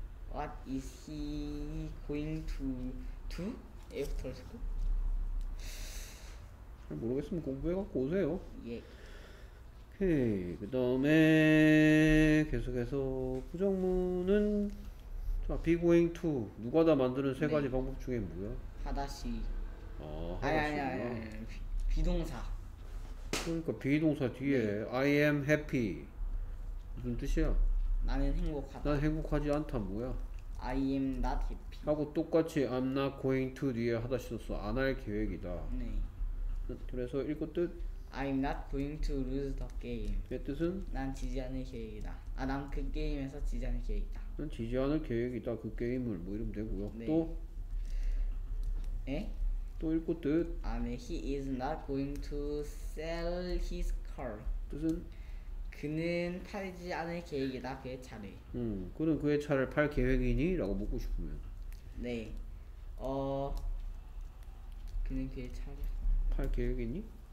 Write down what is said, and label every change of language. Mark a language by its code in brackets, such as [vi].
[en] What is he going to do after school? [ko] 모르겠으면 공부해 갖고 오세요. 예. 오케이. 그다음에 계속해서 부정문은, 자, [en] be going to [ko] 누가 다 만드는 세 가지 네. 방법 중에 뭐야? 하다시. 하다시구나. 아니. 비동사. 그러니까 be 동사 네. 뒤에 [en] I am happy [ko] 무슨 뜻이야? 나는 난 행복하다. 행복하지 않다 뭐야? [en] I am not happy. [ko] 하고 똑같이 [en] I'm not going to [ko] 뒤에 하다시 썼어. 안할 계획이다. 네. 그래서 읽고 뜻. [en] I'm not going to lose the game. [ko] 내 뜻은? 난 지지 않을 계획이다. 아, 난그 게임에서 지지 않을 계획이다. 난 지지 않을 계획이다. 그 게임을 뭐 이러면 되고요. 네. 또? 에? 또 읽고 뜻. 아, 네. [en] He is not going to sell his car. [ko] 뜻은? 그는 팔지 않을 계획이다. 그의 차를. 그는 그의 차를 팔 계획이니? 라고 묻고 싶으면. 네. 그는 그의 차를. 할 계획이니?